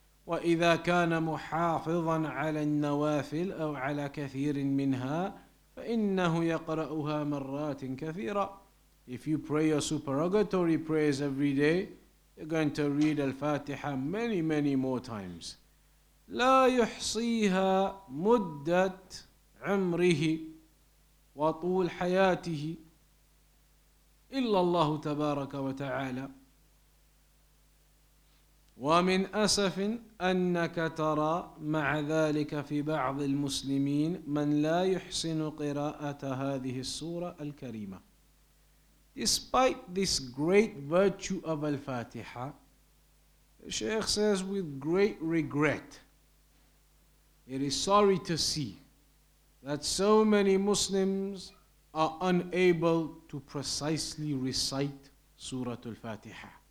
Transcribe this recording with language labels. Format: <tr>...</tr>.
<ar>وَإِذَا كَانَ مُحَافِظًا عَلَى النَّوَافِلِ أَوْ عَلَى كَثِيرٍ مِّنْهَا فَإِنَّهُ يَقْرَأُهَا مَرَّاتٍ كَثِيرًا.</ar> <en>If you pray your supererogatory prayers every day, you're going to read Al-Fatiha many, many more times.</en> <ar>لَا يُحْصِيهَا مُدَّةً عمره وطول حياته إلا الله تبارك وتعالى. ومن أسف أنك ترى مع ذلك في بعض المسلمين من لا يحسن قراءة هذه السورة الكريمة.</ar> <en>Despite this great virtue of Al-Fatiha, the Sheikh says with great regret, it is sorry to see that so many Muslims are unable to precisely recite Surah Al-Fatiha.</en>